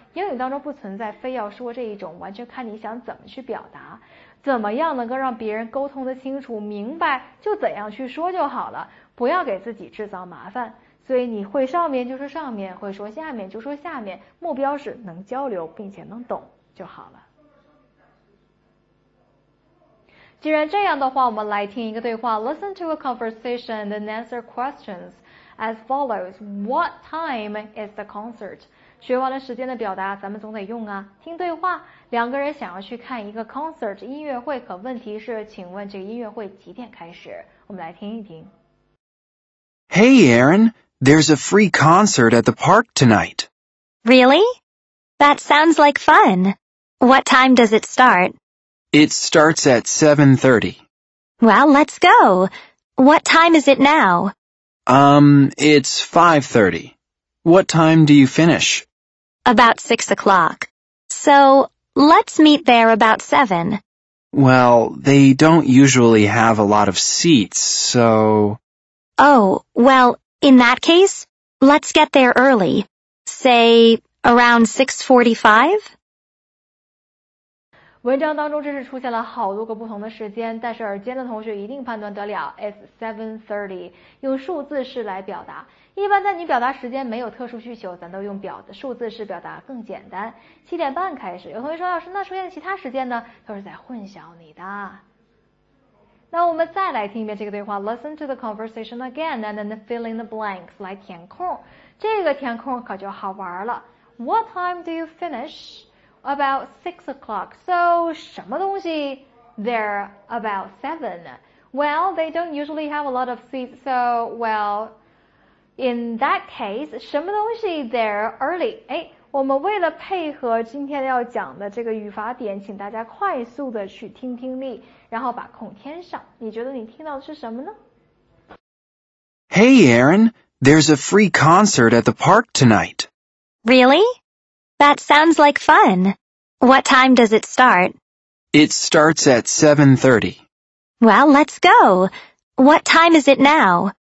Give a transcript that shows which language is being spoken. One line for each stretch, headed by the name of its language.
Chinese: 英语当中不存在非要说这一种，完全看你想怎么去表达，怎么样能够让别人沟通的清楚明白，就怎样去说就好了，不要给自己制造麻烦。所以你会上面就说上面，会说下面就说下面，目标是能交流并且能懂就好了。既然这样的话，我们来听一个对话。
English: Listen to a conversation and answer questions as follows. What time is the concert?
Chinese: 学完了时间的表达咱们总得用啊。听对话，两个人想要去看一个 concert 音乐会，可问题是请问这个音乐会几点开始？我们来听一听。
English: Hey Aaron,There's a free concert at the park tonight. Really? That sounds like fun. What time does it start? It starts at 7:30. Well, let's go. What time is it now? It's 5:30. What time do you finish? About 6:00. So, let's meet there about 7. Well, they don't usually have a lot of seats, so... Oh, well... In that case, let's get there early. Say, around 6:45?
Chinese: 文章当中真是出现了好多个不同的时间，但是耳尖的同学一定判断得了 ,
English: it's 7:30,
Chinese: 用数字式来表达。一般在你表达时间没有特殊需求，咱都用表的数字式表达更简单。 7:30开始，有同学说老师，那出现其他时间呢？都是在混淆你的。那我们再来听一遍这个对话。
English: Listen to the conversation again and then fill in the blanks,
Chinese: 来填空。这个填空可就好玩了。
English: What time do you finish? About 6:00. So,
Chinese: 什么东西?
English: They're about 7. Well, they don't usually have a lot of seats, so, well, in that case,
Chinese: 什么东西?
English: They're early.
Chinese: 哎，我们为了配合今天要讲的这个语法点，请大家快速的去听听力，然后把空填上。你觉得你听到的是什么呢？
English: Hey, Aaron, there's a free concert at the park tonight. Really? That sounds like fun. What time does it start? It starts at 7:30. Well, let's go. What time is it now?